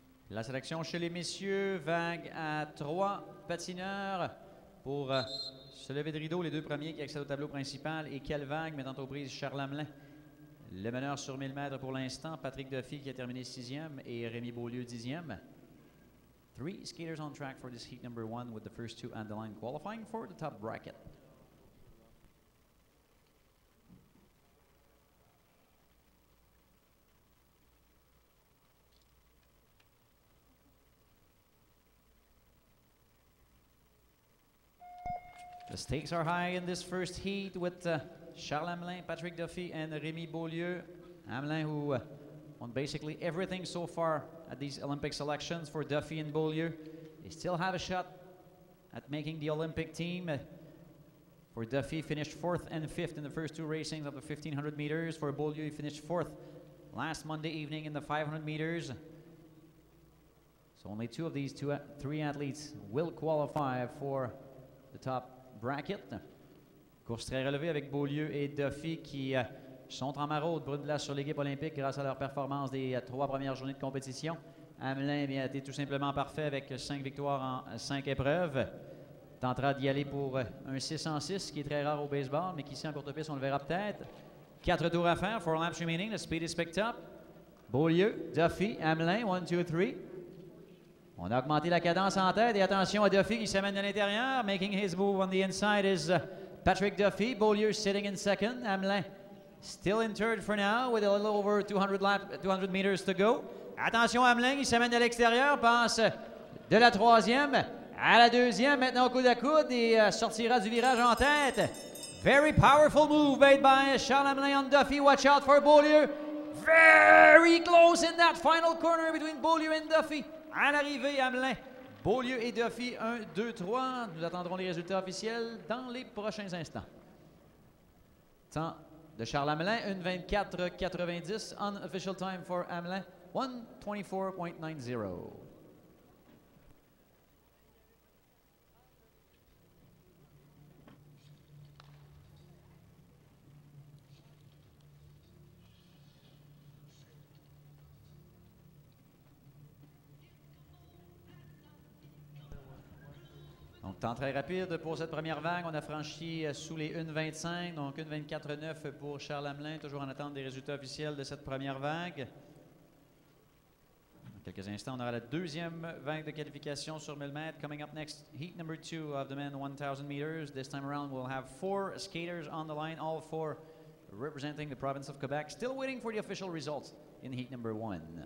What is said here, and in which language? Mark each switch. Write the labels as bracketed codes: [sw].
[fr] La sélection chez les messieurs, vague à trois patineurs pour se lever de rideau. Les deux premiers qui accèdent au tableau principal. Et quelle vague, mettant aux prises Charles Hamelin, le meneur sur 1000 mètres pour l'instant. Patrick Duffy qui a terminé sixième et Rémi Beaulieu dixième. [en] Three skaters on track for this heat number one with the first two on the line qualifying for the top bracket. The stakes are high in this first heat with Charles Hamelin, Patrick Duffy, and Rémi Beaulieu. Hamelin, who won basically everything so far at these Olympic selections for Duffy and Beaulieu. They still have a shot at making the Olympic team. For Duffy, finished fourth and fifth in the first two racings of the 1500 meters. For Beaulieu, he finished fourth last Monday evening in the 500 meters. So only two of these three athletes will qualify for the top bracket. [fr] Course très relevée avec Beaulieu et Duffy qui sont en maraude pour une place sur l'équipe olympique grâce à leur performance des trois premières journées de compétition. Hamelin a été tout simplement parfait avec cinq victoires en cinq épreuves. Tentera d'y aller pour un 6 en 6 qui est très rare au baseball, mais qui ici en courte piste, on le verra peut-être. Quatre tours à faire, [en] four laps remaining, the speed is picked up. Beaulieu, Duffy, Hamelin, 1, 2, 3. [fr] On a augmenté la cadence en tête et attention à Duffy qui s'amène de l'intérieur. [en] Making his move on the inside is Patrick Duffy. Beaulieu sitting in second. Hamelin still in third for now with a little over 200 meters to go. [fr] Attention à Hamelin qui s'amène de l'extérieur. Passe de la troisième à la deuxième. Maintenant coude à coude et sortira du virage en tête. [en] Very powerful move made by Charles Hamelin on Duffy. Watch out for Beaulieu. Very close in that final corner between Beaulieu and Duffy. [fr] À l'arrivée, Hamelin, Beaulieu et Duffy, 1, 2, 3. Nous attendrons les résultats officiels dans les prochains instants. Temps de Charles Hamelin, 1:24.90. [en] Unofficial time for Hamelin, 1:24.90. [fr] Temps très rapide pour cette première vague. On a franchi sous les 1:25, donc 1:24.09 pour Charles Hamelin, toujours en attente des résultats officiels de cette première vague. quelques instants, on aura la deuxième vague de qualification sur 1000 mètres. [en] Coming up next, heat number two of the men 1000 meters. This time around, we'll have four skaters on the line, all four representing the province of Quebec. Still waiting for the official results in heat number one.